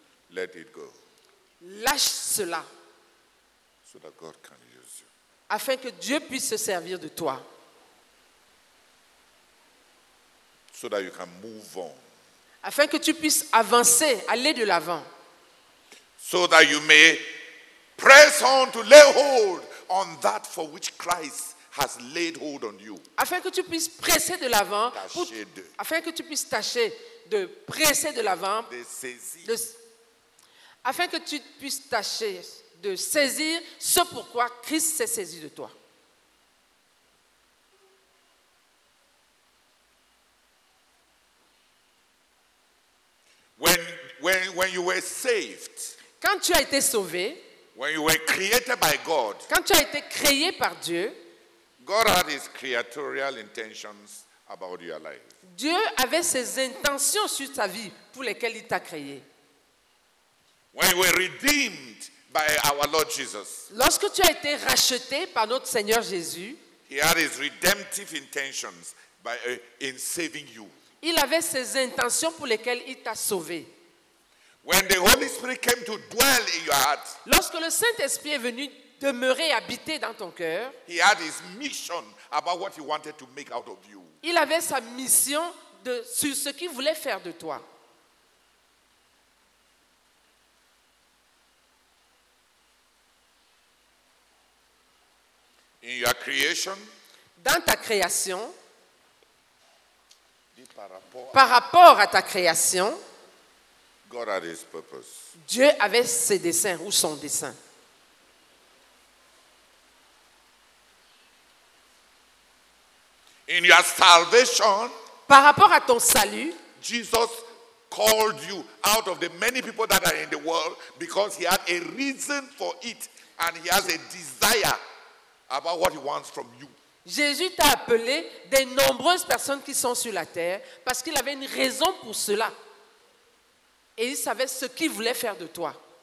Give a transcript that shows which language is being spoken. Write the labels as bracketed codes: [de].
[en] Let it go. [fr] Lâche cela. [en] So that God can use you. [fr] Afin que Dieu puisse se servir de toi. [en] So that you can move on. [fr] Afin que tu puisses avancer, aller de l'avant. [en] So that you may press on to lay hold on that for which Christ has laid hold on you. [fr] Afin que tu puisses presser de l'avant. Afin que tu puisses tâcher de presser de l'avant. De saisir. De, afin que tu puisses tâcher de saisir ce pourquoi Christ s'est saisi de toi. [en] When you were saved. [fr] Quand tu as été sauvé. [en] When you were created by God. [fr] Quand tu as été créé par Dieu. [en] God had his creatorial intentions about your life. [fr] Dieu avait ses intentions sur ta vie pour lesquelles il t'a créé. [en] When you were redeemed by our Lord Jesus. [fr] Lorsque tu as été racheté par notre Seigneur Jésus. [en] He had his redemptive intentions by in saving you. [fr] Il avait ses intentions pour lesquelles il t'a sauvé. [en] When the Holy Spirit came to dwell in your heart. [fr] Lorsque le Saint-Esprit est venu demeurer et habiter dans ton cœur. [en] He had his mission about what he wanted to make out of you. [fr] Il avait sa mission de sur ce qu'il voulait faire de toi. [en] In your creation. [fr] Dans ta création. Par rapport à ta création. [en] God had his purpose. [fr] Dieu avait ses desseins ou son dessein. [en] In your salvation, [fr] par rapport à ton salut, [en] Jesus called you out of the many people that are in the world because he had a reason for it and he has a desire about what he wants from you. [fr] Jésus t'a appelé des nombreuses personnes qui sont sur la terre parce qu'il avait une raison pour cela. Et il savait ce qu'il voulait faire de toi.